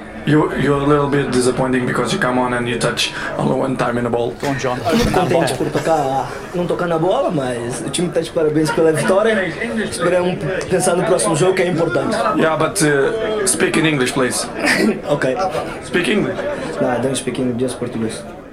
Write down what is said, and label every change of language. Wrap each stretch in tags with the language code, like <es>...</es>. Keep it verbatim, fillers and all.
<en>You, you're a little bit disappointing because you come on and you touch only one time in the ball. Go on, John.</en> <pt>Eu muito contente por tocar, não tocar na bola, mas o time está de parabéns pela vitória. Esperamos pensar no próximo jogo que é importante.</pt> <en>Yeah, but uh, speak in English, please. Okay. Speak English. No, I don't speak English, just Portuguese.</en>